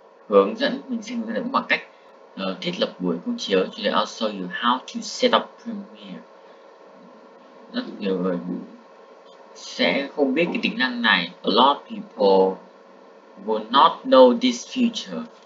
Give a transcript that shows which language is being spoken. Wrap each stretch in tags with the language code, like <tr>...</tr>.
<vi>Hướng dẫn mình sẽ hướng dẫn bằng cách thiết lập buổi công chiếu.</vi> <en>Today I will show you how to set up Premiere.</en> <vi>Rất nhiều người sẽ không biết cái tính năng này.</vi> <en>A lot of people will not know this feature.</en>